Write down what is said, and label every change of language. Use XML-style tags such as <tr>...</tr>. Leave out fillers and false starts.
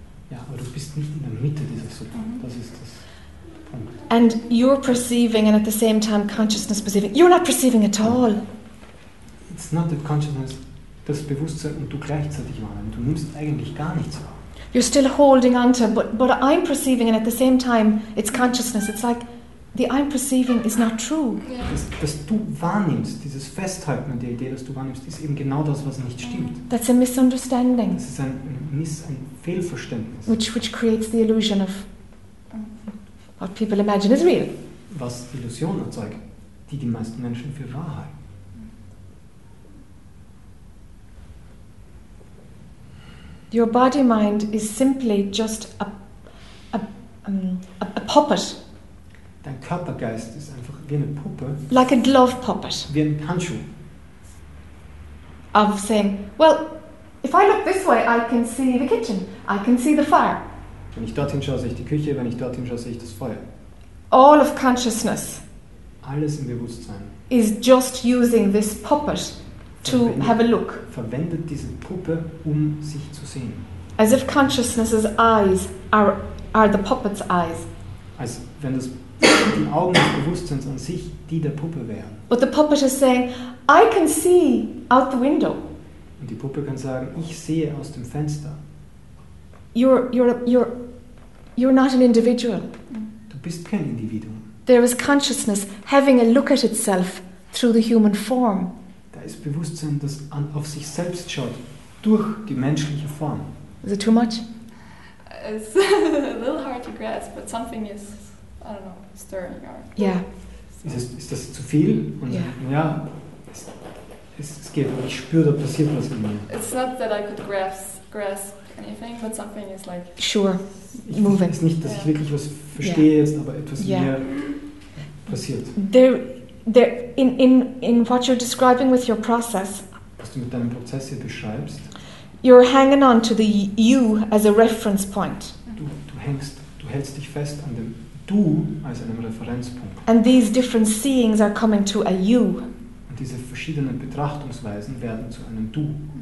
<de>Ja, aber du bist nicht in der Mitte dieser Suppe. Mm-hmm. Das ist das Punkt.</de> <en>And you're perceiving and at the same time consciousness perceiving. You're not perceiving at all. It's not that consciousness,</en> <de>das Bewusstsein und du gleichzeitig wahrnimmst. Du nimmst eigentlich gar nichts wahr.</de> <en>You're still holding on to, but I'm perceiving and at the same time it's consciousness. It's like, the I'm perceiving is not true. Yeah.</en> <de>Das du wahrnimmst, dieses Festhalten an der Idee, dass du wahrnimmst, ist eben genau das, was nicht stimmt.</de> <en>That's a misunderstanding.</en> <de>Das ist ein Fehlverständnis.</de> <en>Which creates the illusion of what people imagine is real.</en> <de>Was die Illusion erzeugt, die meisten Menschen für wahr halten.</de> <en>Your body mind is simply just a puppet.</en> <de>Dein Körpergeist ist einfach wie eine Puppe.</de> <en>Like a glove puppet.</en> <de>Wie ein Handschuh.</de> <en>Of saying, well, if I look this way, I can see the kitchen. I can see the fire.</en> <de>Wenn ich dorthin schaue, sehe ich die Küche. Wenn ich dorthin schaue, sehe ich das Feuer.</de> <en>All of consciousness.</en> <de>Alles im Bewusstsein.</de> <en>Is just using this puppet. To have a look.</en> <de>Verwendet diese Puppe, um sich zu sehen.</de> <en>As if consciousness's eyes are the puppet's eyes.</en> <de>Als wenn das die Augen des Bewusstseins an sich die der Puppe wären.</de> <en>But the puppet is saying, I can see out the window.</en> <de>Und die Puppe kann sagen, ich sehe aus dem Fenster.</de> <en>You're not an individual.</en> <de>Du bist kein Individuum.</de> <en>There is consciousness having a look at itself through the human form.</en> <de>Da ist Bewusstsein, das auf sich selbst schaut, durch die menschliche Form.</de> <en>Is it too much? It's a little hard to grasp, but something is, I don't know, stirring. Or... Yeah.</en> <de>Ist das zu viel? Und yeah. Ja, es geht, ich spüre, da passiert was in mir.</de> <en>It's not that I could grasp anything, but something is like... Sure,</en> <de>ich,</de> <en>moving.</en> <de>Es ist nicht, dass ich wirklich was verstehe jetzt, aber etwas in mir passiert.</de> <en>There, in what you're describing with your process,</en> <de>was du mit deinem Prozess hier beschreibst,</de> <en>you're hanging on to the you as a reference point.</en> <de>Du hältst dich fest an dem du als einem Referenzpunkt.</de> <en>And these different seeings are coming to a you.</en> <de>Und diese verschiedenen Betrachtungsweisen werden zu einem du.</de>